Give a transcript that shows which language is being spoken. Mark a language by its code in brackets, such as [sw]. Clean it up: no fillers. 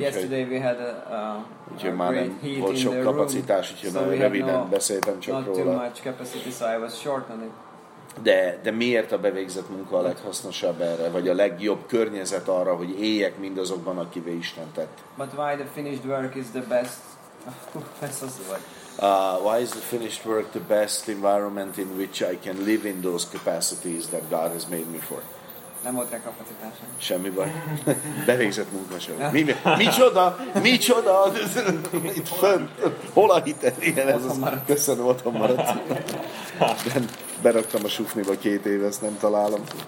[hu] úgyhogy, [en] yesterday we had [hu] úgyhogy már nem volt sok kapacitás, úgyhogy [en] so [hu] röviden beszéltem csak [en] not [hu] róla. [en] Too much capacity, so I was short on it. [hu] De miért a bevégzett munka a leghasznosabb erre, vagy a legjobb környezet arra, hogy éljek mindazokban, akivé Isten tett? [en] But why the finished work is the best? Why is the finished work the best environment in which I can live in those capacities that God has made me for? [hu] Nem volt rá kapacitásom. Semmi baj. Bevégzett munka sem. Micsoda? Itt fönt. Hol a hited? Igen, ez az. Köszönöm, otthon maradsz. Beraktam a sufniba 2 éve, ezt nem találom.